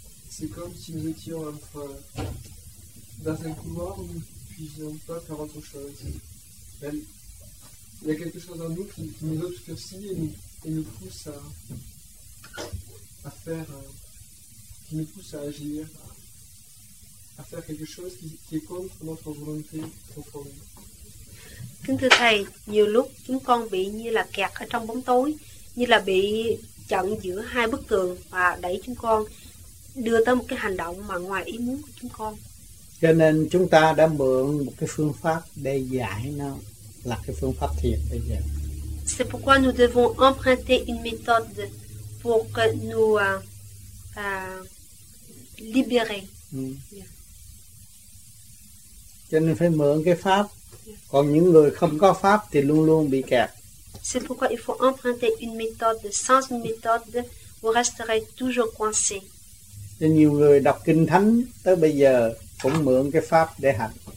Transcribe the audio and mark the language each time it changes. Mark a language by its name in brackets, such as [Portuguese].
[French] C'est comme si nous étions dans un couloir où nous ne puissions pas faire autre chose. Il y a quelque chose en nous qui nous obscurcit et nous pousse à agir, à faire quelque chose qui est contre notre volonté profonde. [Vietnamese] Kính thưa thầy, nhiều lúc chúng con bị như là kẹt ở trong bóng tối, như là bị chặn giữa hai bức tường và đẩy chúng con đưa tới một cái hành động mà ngoài ý muốn của chúng con. Cho nên chúng ta đã mượn một cái phương pháp để giải nó, là cái phương pháp thiền bây giờ. [French] C'est pourquoi nous devons emprunter une méthode pour que nous libérer. [Vietnamese] Cho nên phải mượn cái pháp. Còn những người không có pháp thì luôn luôn bị kẹt. [French] C'est pourquoi il faut emprunter une méthode. Sans une méthode, vous resterez toujours coincé. [Vietnamese] Nhiều người đọc kinh thánh tới bây giờ cũng mượn cái pháp để hành.